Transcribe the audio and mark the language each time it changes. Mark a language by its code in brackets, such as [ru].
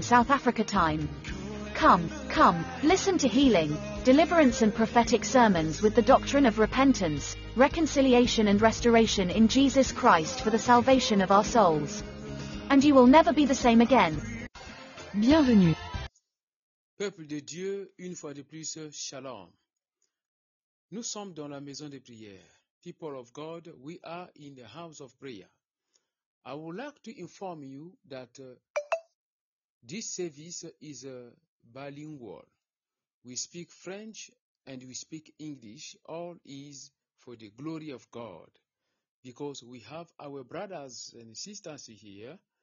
[en] South Africa time. Come, listen to healing, deliverance and prophetic sermons with the doctrine of repentance, reconciliation and restoration in Jesus Christ for the salvation of our souls. And you will never be the same again. [fr] Bienvenue. Peuple de Dieu, une fois de plus, shalom. Nous sommes dans la maison de prière. [en] People of God, we are in the house of prayer. I would like to inform you that this service is bilingual. We speak French and we speak English. All is for the glory of God, because we have our brothers and sisters here.